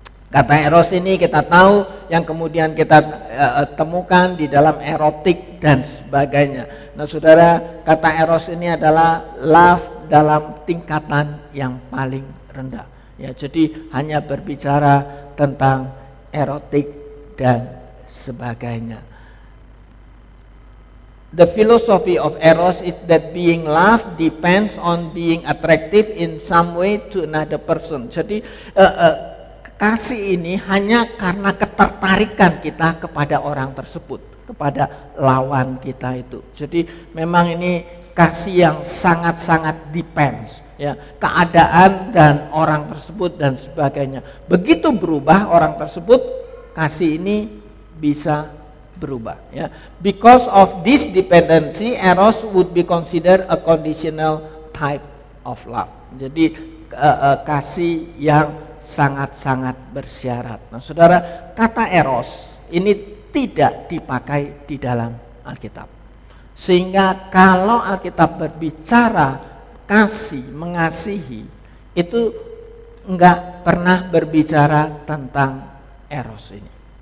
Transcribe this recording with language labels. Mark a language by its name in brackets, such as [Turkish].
[Indonesian] Kata eros ini kita tahu yang kemudian kita temukan di dalam erotik dan sebagainya. Nah, saudara, kata eros ini adalah love dalam tingkatan yang paling rendah. Ya, jadi hanya berbicara tentang erotik dan sebagainya. [English] The philosophy of eros is that being loved depends on being attractive in some way to another person. [Indonesian] Jadi kasih ini hanya karena ketertarikan kita kepada orang tersebut, kepada lawan kita itu. Jadi memang ini kasih yang sangat-sangat depends, ya, keadaan dan orang tersebut dan sebagainya. Begitu berubah orang tersebut, kasih ini bisa berubah, ya. [English] Because of this dependency, eros would be considered a conditional type of love. [Indonesian] Jadi kasih yang sangat-sangat bersyarat. Nah, saudara, kata eros ini tidak dipakai di dalam Alkitab. Sehingga kalau Alkitab berbicara kasih, mengasihi, itu enggak pernah berbicara tentang eros ini.